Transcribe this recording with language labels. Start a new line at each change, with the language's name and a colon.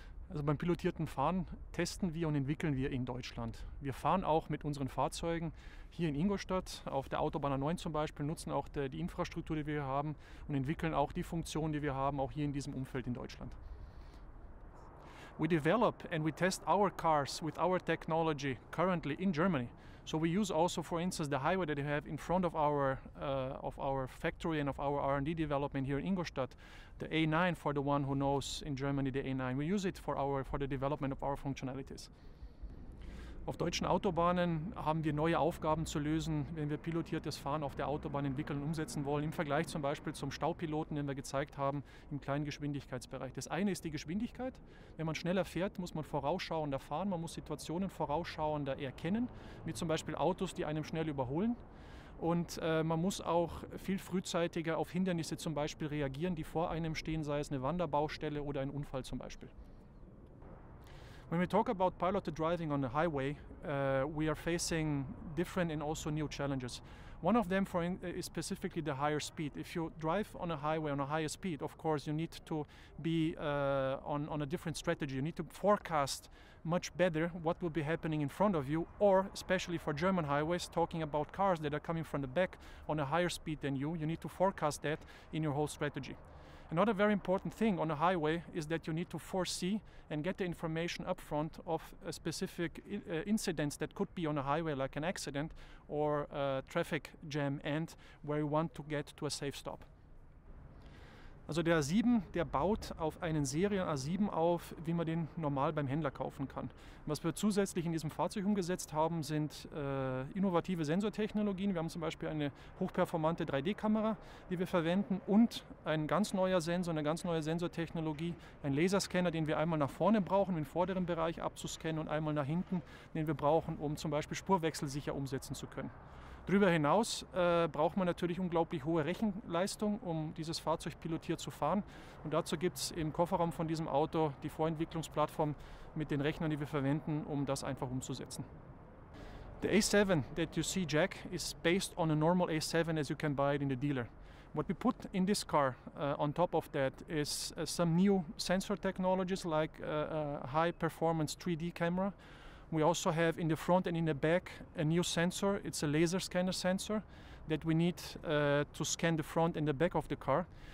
German: Also beim pilotierten Fahren testen wir und entwickeln wir in Deutschland. Wir fahren auch mit unseren Fahrzeugen hier in Ingolstadt, auf der Autobahn A9 zum Beispiel, nutzen auch die Infrastruktur, die wir hier haben und entwickeln auch die Funktionen, die wir haben, auch hier in diesem Umfeld in Deutschland.
English: We develop and we test our cars with our technology currently in Germany. So we use also, for instance, the highway that we have in front of our factory and of our R&D development here in Ingolstadt, the A9, for the one who knows in Germany the A9. We use it for the development of our functionalities.
German: Auf deutschen Autobahnen haben wir neue Aufgaben zu lösen, wenn wir pilotiertes Fahren auf der Autobahn entwickeln und umsetzen wollen, im Vergleich zum Beispiel zum Staupiloten, den wir gezeigt haben, im kleinen Geschwindigkeitsbereich. Das eine ist die Geschwindigkeit. Wenn man schneller fährt, muss man vorausschauender fahren, man muss Situationen vorausschauender erkennen, wie zum Beispiel Autos, die einem schnell überholen. Und man muss auch viel frühzeitiger auf Hindernisse zum Beispiel reagieren, die vor einem stehen, sei es eine Wanderbaustelle oder ein Unfall zum Beispiel.
English: When we talk about piloted driving on the highway, we are facing different and also new challenges. One of them is specifically the higher speed. If you drive on a highway on a higher speed, of course, you need to be on a different strategy. You need to forecast much better what will be happening in front of you, or especially for German highways, talking about cars that are coming from the back on a higher speed than you, you need to forecast that in your whole strategy. Another very important thing on a highway is that you need to foresee and get the information up front of a specific incidents that could be on a highway, like an accident or a traffic jam end, where you want to get to a safe stop.
German: Also der A7, der baut auf einen Serien A7 auf, wie man den normal beim Händler kaufen kann. Was wir zusätzlich in diesem Fahrzeug umgesetzt haben, sind innovative Sensortechnologien. Wir haben zum Beispiel eine hochperformante 3D-Kamera, die wir verwenden, und ein ganz neuer Sensor, eine ganz neue Sensortechnologie, ein Laserscanner, den wir einmal nach vorne brauchen, den vorderen Bereich abzuscannen, und einmal nach hinten, den wir brauchen, um zum Beispiel Spurwechsel sicher umsetzen zu können. Darüber hinaus braucht man natürlich unglaublich hohe Rechenleistung, um dieses Fahrzeug pilotiert zu fahren. Und dazu gibt es im Kofferraum von diesem Auto die Vorentwicklungsplattform mit den Rechnern, die wir verwenden, um das einfach umzusetzen.
English: The A7 that you see, Jack, is based on a normal A7 as you can buy it in the dealer. What we put in this car on top of that is some new sensor technologies like a high performance 3D camera. We also have in the front and in the back a new sensor. It's a laser scanner sensor that we need to scan the front and the back of the car.